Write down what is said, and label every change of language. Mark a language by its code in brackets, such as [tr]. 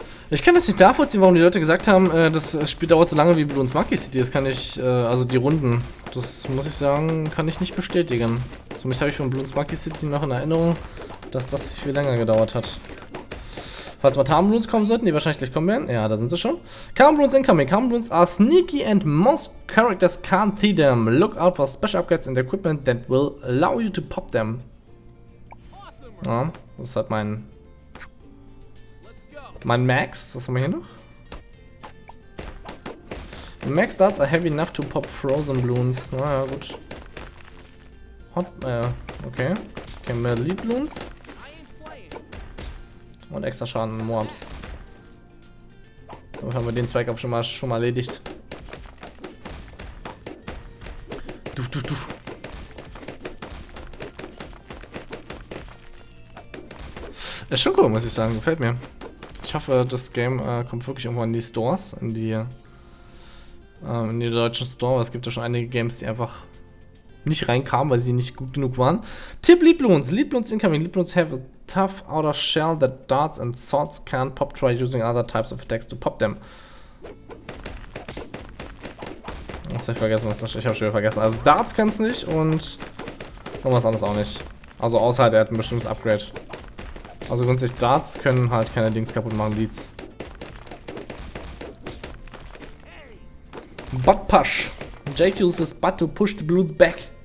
[de] Ich kann das nicht nachvollziehen, warum die Leute gesagt haben, das Spiel dauert so lange wie Bloons Monkey City. Das kann ich, also die Runden, das muss ich sagen, kann ich nicht bestätigen. Zumindest habe ich von Bloons Monkey City noch in Erinnerung, dass das viel länger gedauert hat. Falls mal Tarn Bloons kommen sollten, die wahrscheinlich gleich kommen werden. Ja, da sind sie schon. [en] Karn Bloons incoming. Karn Bloons are sneaky and most characters can't see them. Look out for special upgrades and equipment that will allow you to pop them. [de] Ja, das ist halt mein Max. Was haben wir hier noch? [en] Max Darts are heavy enough to pop frozen Bloons. [de] Naja, gut. Hot, okay. Kennen wir Lead Bloons. Und extra Schaden Moabs. Damit haben wir den Zweikampf schon mal erledigt. Duf, duf, duf. Ist schon cool, muss ich sagen. Gefällt mir. Ich hoffe, das Game kommt wirklich irgendwann in die Stores. In die deutschen Store. Es gibt ja schon einige Games, die einfach nicht reinkamen, weil sie nicht gut genug waren. Tipp Lieblings. [en] Lieblings incoming. Lieblings have a tough outer shell that darts and swords can't pop. Try using other types of attacks to pop them. [de] Jetzt hab ich vergessen, was das ist. Ich hab's schon wieder vergessen. Also Darts kann's nicht und irgendwas anderes auch nicht. Also außer halt, er hat ein bestimmtes Upgrade. Also grundsätzlich Darts können halt keine Dings kaputt machen, Leads. [en] Butt push. Jake uses butt to push the Bloons back.